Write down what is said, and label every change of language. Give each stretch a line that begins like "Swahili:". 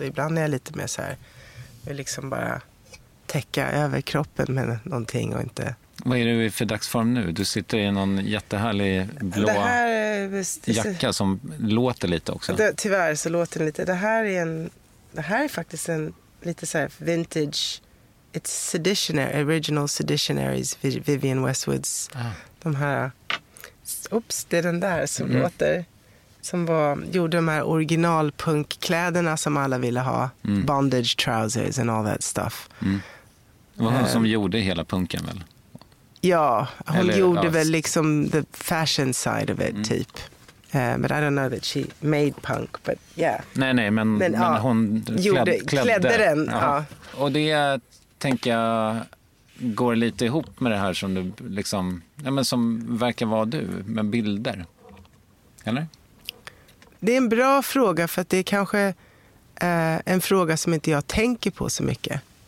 Swedish: Och ibland är jag lite mer så här, jag vill liksom bara täcka över kroppen med någonting och inte. Vad är du i för dagsform nu? Du sitter i någon jättehärlig blå jacka som låter lite också. Det, tyvärr så låter den lite. Det här är faktiskt en lite så här vintage.
English: It's seditionary, original seditionaries, Vivienne Westwoods. Ah.
Swedish: De här, oops, det är den där som låter. Som var, gjorde de här originalpunkkläderna som alla ville ha. Mm.
English: Bondage trousers and all that stuff. Mm.
Swedish: Var hon som gjorde hela punken väl? Ja, hon eller, gjorde väl liksom
English: the fashion side of it
Swedish: typ.
English: But I don't know that she made punk, but yeah.
Swedish: Nej, men hon klädde den. Ja. Och det tänker jag går lite ihop med det här som du liksom, ja, men som verkar vara du med bilder. Eller? Det är en bra fråga, för att det är kanske en fråga som inte jag tänker på så mycket.